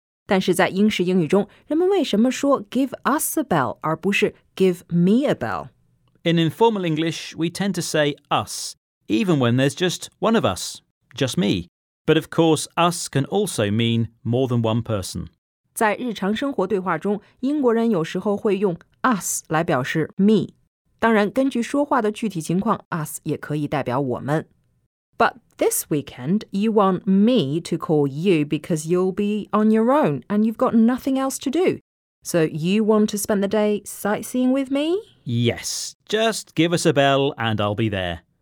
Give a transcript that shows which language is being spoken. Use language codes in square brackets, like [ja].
[zh] 但是在英式英语中，人们为什么说 [en] give us a bell [zh] 而不是 [en] give me a bell? In informal English, we tend to say us, even when there's just one of us, just me. But of course, us can also mean more than one person. [zh] 在日常生活对话中，英国人有时候会用 us 来表示 me。当然，根据说话的具体情况 ，us 也可以代表我们。 [en] But this weekend, you want me to call you because you'll be on your own and you've got nothing else to do. So you want to spend the day sightseeing with me? Yes, just give us a bell and I'll be there.